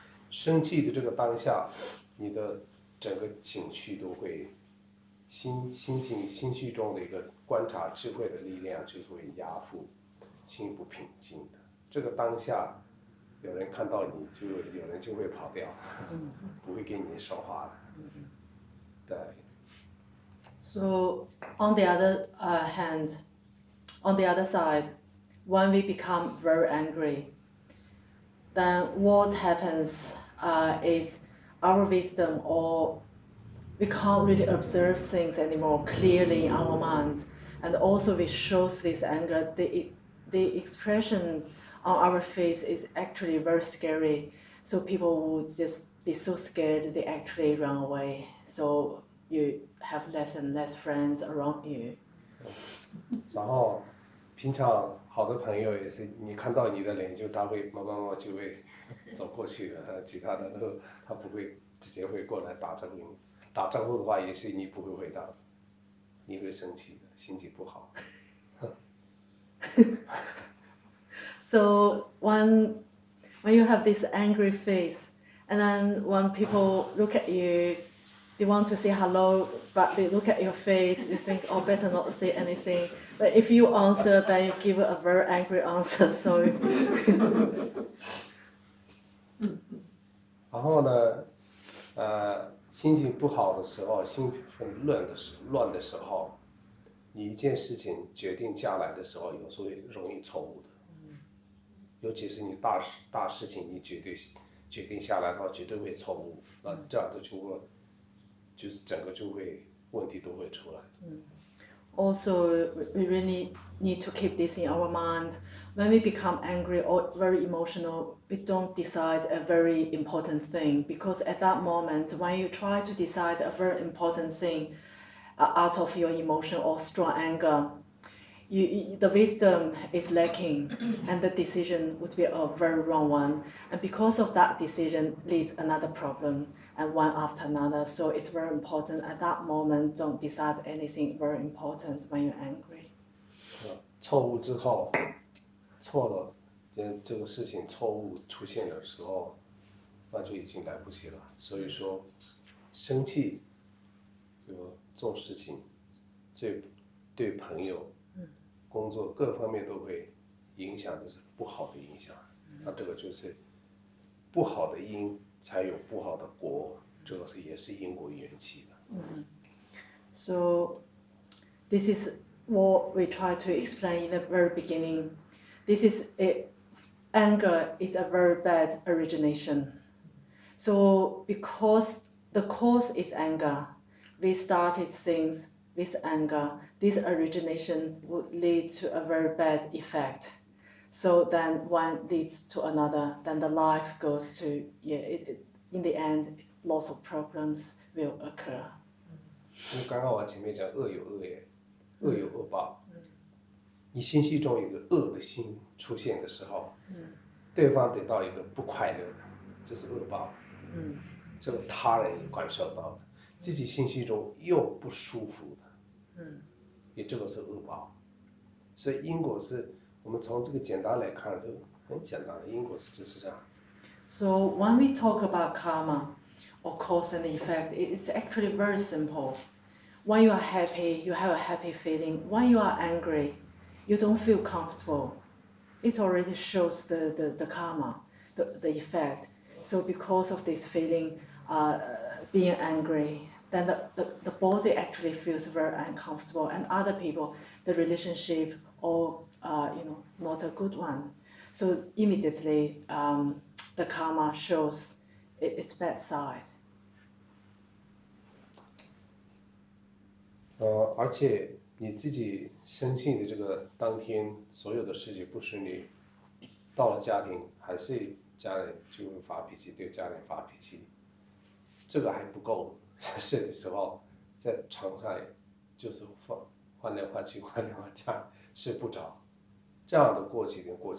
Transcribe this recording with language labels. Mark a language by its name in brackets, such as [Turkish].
[Chinese] 生气的这个当下，你的整个情绪都会，心绪中的一个观察智慧的力量就会压覆，心不平静的。这个当下，有人看到你就有人就会跑掉，不会跟你说话的。对。 [English] So on the other hand, on the other side, when we become very angry, then what happens is our wisdom, or we can't really observe things anymore clearly in our mind, and also we show this anger. The expression on our face is actually very scary, so people would just be so scared they actually run away. So you have less and less friends around you. [Chinese] 然后，平常好的朋友也是，你看到你的脸就他会慢慢就会走过去的，其他的都他不会直接会过来打招呼，打招呼的话也是你不会回答，你会生气的，心情不好。 [English] So when you have this angry face, and then when people look at you, they want to say hello, but they look at your face, they think, oh, better not say anything. But if you answer, then you give a very angry answer, so [Chinese] 然后呢，心情不好的时候，心烦乱的时候，你一件事情决定下来的时候，有时候也容易错误的。尤其是你大事情，你决定下来的话，绝对会错误。那这样的就会，就是整个就会问题都会出来。 [English] Also, we really need to keep this in our mind. When we become angry or very emotional, we don't decide a very important thing, because at that moment, when you try to decide a very important thing out of your emotion or strong anger, the wisdom is lacking, and the decision would be a very wrong one. And because of that decision leads another problem, and one after another. So it's very important at that moment, don't decide anything very important when you're angry. [Chinese] 错误之后，错了，这个事情错误出现的时候，那就已经来不及了。所以说，生气，就做事情，对朋友、工作各方面都会影响，就是不好的影响。那这个就是不好的因才有不好的果，这个是也是因果缘起的。 [English] So this is what we try to explain in the very beginning. Anger is a very bad origination. So because the cause is anger, we started things with anger. This origination would lead to a very bad effect. So then one leads to another, then the life goes to, in the end, lots of problems will occur. [Chinese] 因为刚刚我前面讲恶有恶业，恶有恶报。你心绪中有个恶的心出现的时候，对方得到一个不快乐的，这是恶报。这个他人也感受到的，自己心绪中又不舒服的，也这个是恶报。所以因果是我们从这个简单来看，就很简单的因果是就是这样。 [English] So when we talk about karma or cause and effect, it's actually very simple. When you are happy, you have a happy feeling. When you are angry, you don't feel comfortable. It already shows the karma, the effect. So because of this feeling, being angry, then the body actually feels very uncomfortable, and other people, the relationship, all not a good one. So immediately, the karma shows its bad side. [Chinese] 而且你自己生气的这个当天，所有的事情不顺利，到了家庭还是家人就会发脾气，对家人发脾气，这个还不够，生气的时候在床上就是换来换去，换来换去睡不着，这样的过几天，